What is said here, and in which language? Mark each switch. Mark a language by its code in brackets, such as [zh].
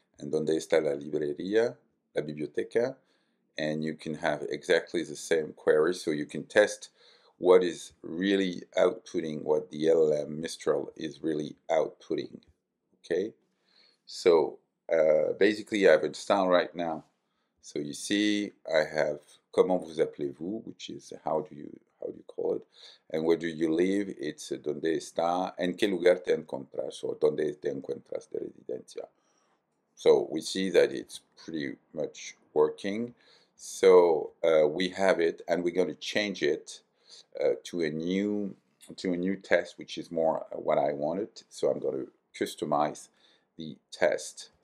[es] And donde está la librería, la biblioteca? [en] And you can have exactly the same query. So you can test what is really outputting, what the LLM Mistral is really outputting. Okay. So basically, I have installed right now. So you see, I have [fr] comment vous appelez-vous, [en] which is how do you call it, and where do you live? [es] It's donde está, en qué lugar te encuentras, or donde te encuentras de residencia. [en] So we see that it's pretty much working. So we have it, and we're going to change it to a new test, which is more what I wanted. So I'm going to customize the test.